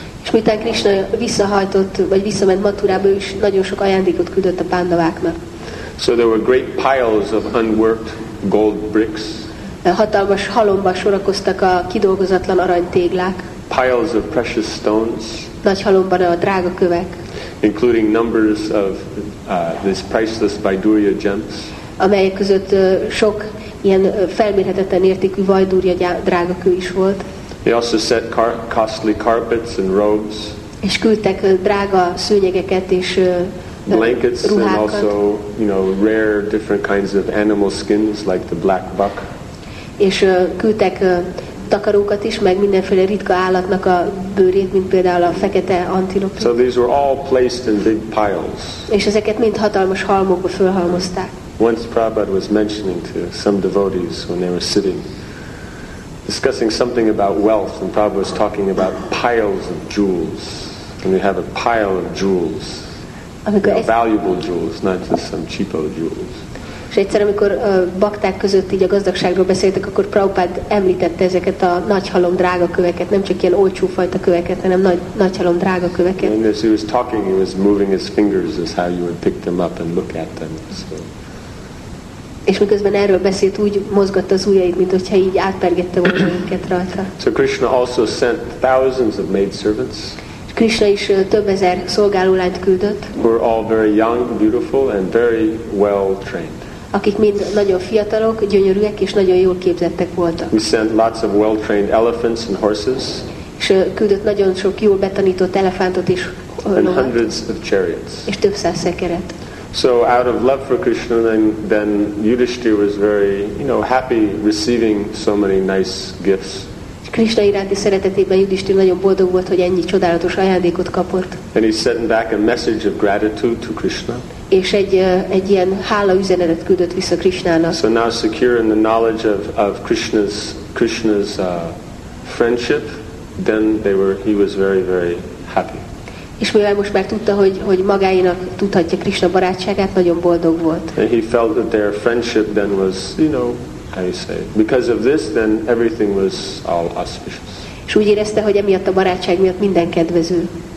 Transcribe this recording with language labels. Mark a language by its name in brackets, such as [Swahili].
[Hungarian] És miután Krishna visszahajtott, vagy visszament Mathurába, is nagyon sok ajándékot küldött a Pandaváknak. [English] So there were great piles of unworked gold bricks. [Hungarian] Hatalmas halomba sorakoztak a kidolgozatlan aranytéglák. [English] Piles of precious stones. [Hungarian] Nagy halomban a drága kövek. [English] Including numbers of these priceless Vaidurya gems. [Hungarian] Amelyek között sok ilyen felmérhetetlen értékű Vaidurya drága kő is volt. [English] He also set costly carpets and robes. [Hungarian] És küldtek drága szőnyegeket és [English] blankets [Hungarian] ruhákat. [English] And also, you know, rare different kinds of animal skins like the black buck. [Hungarian] És küldtek takarókat is, meg mindenféle ritka állatnak a bőrét, mint például a fekete antilop. [English] So these were all placed in big piles. [Hungarian] És ezeket mind hatalmas halmokba fölhalmozták. [English] Once Prabhupada was mentioning to some devotees when they were sitting, discussing something about wealth, and Prabhupada was talking about piles of jewels. And we have a pile of jewels. You know, valuable jewels, not just some cheapo jewels. [Hungarian] És egyszer, amikor bakták között így a gazdagságról beszéltek, akkor Prabhupád említette ezeket a nagyhalom drága köveket, nem csak ilyen olcsó fajta köveket, hanem nagyhalom drága köveket. [English] And as he was talking, he was moving his fingers as how you would pick them up and look at them. So. [Hungarian] És miközben erről beszélt, úgy mozgatta az ujjait, mint hogyha így átpergette volna őket rajta. [English] So Krishna also sent thousands of maid servants. [Hungarian] Krishna is több ezer szolgálólányt küldött. [English] Were all very young, beautiful and very well trained. [Hungarian] Akik mind nagyon fiatalok, gyönyörűek és nagyon jól képzettek voltak. [English] We sent lots of well-trained elephants and horses. [Hungarian] És küldött nagyon sok jól betanított elefántot is. [English] And hundreds of chariots. [Hungarian] És több száz szekeret. [English] So out of love for Krishna, then Yudhishthira was very, you know, happy receiving so many nice gifts. [Hungarian] Krishna iránti szeretetében Yudhishthira nagyon boldog volt, hogy ennyi csodálatos ajándékot kapott. [English] And he sent back a message of gratitude to Krishna. [Hungarian] És egy ilyen hála üzenetet küldött vissza Krishnának. [English] So now secure in the knowledge of Krishna's friendship, then he was very, very happy. [Hungarian] És mivel most már tudta, hogy magáinak tudhatja Krishna barátságát, nagyon boldog volt. [English] And he felt that their friendship then was, you know, how you say, because of this, then everything was all auspicious. [Hungarian] És úgy érezte, hogy emiatt a barátság miatt minden kedvező.